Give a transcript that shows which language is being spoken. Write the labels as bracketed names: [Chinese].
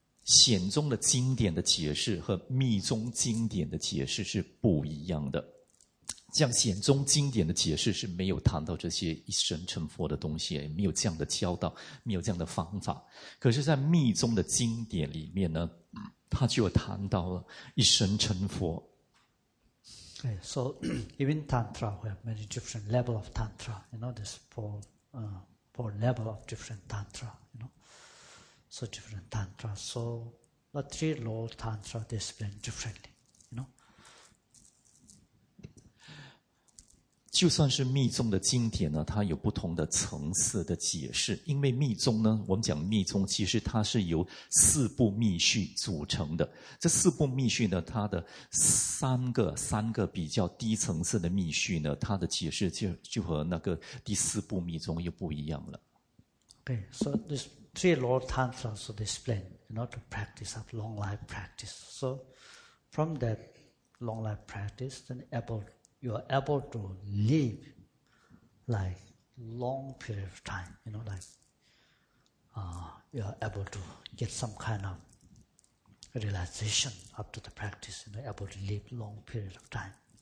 [Chinese] 显宗的经典的解释和密宗经典的解释是不一样的。像显宗经典的解释是没有谈到这些一生成佛的东西，没有这样的教导，没有这样的方法。可是在密宗的经典里面呢，他就谈到了一生成佛。 [English] Okay, so even Tantra, we have many different level of Tantra, you know, there's four level of different Tantra, you know, so different Tantra. So the three law Tantra, they explain differently, you know. [Chinese] 就算是密宗的经典呢，它有不同的层次的解释，因为密宗呢，我们讲密宗其实它是由四部密序组成的。这四部密序呢，它的三个比较低层次的密序呢，它的解释就和那个第四部密宗又不一样了。 [English] Okay, so this three law tantra so they explain, you know, to practice of long life practice. So from that long life practice, then you are able to live like long period of time, you know, like you are able to get some kind of realization after the practice, you know, able to live long period of time.